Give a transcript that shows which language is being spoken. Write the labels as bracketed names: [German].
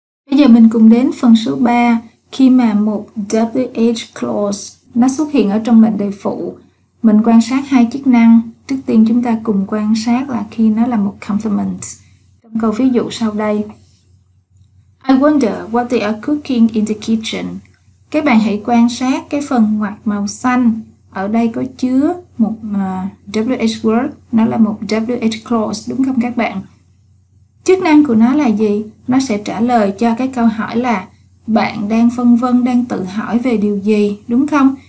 [Vietnamese] Bây giờ mình cùng đến phần số 3, khi mà một WH clause nó xuất hiện ở trong mệnh đề phụ. Mình quan sát hai chức năng. Trước tiên chúng ta cùng quan sát là khi nó là một complement. Trong câu ví dụ sau đây. [English] I wonder what they are cooking in the kitchen. [Vietnamese] Các bạn hãy quan sát cái phần ngoặc màu xanh. Ở đây có chứa một WH word. Nó là một WH clause, đúng không các bạn? Chức năng của nó là gì? Nó sẽ trả lời cho cái câu hỏi là bạn đang phân vân, đang tự hỏi về điều gì, đúng không?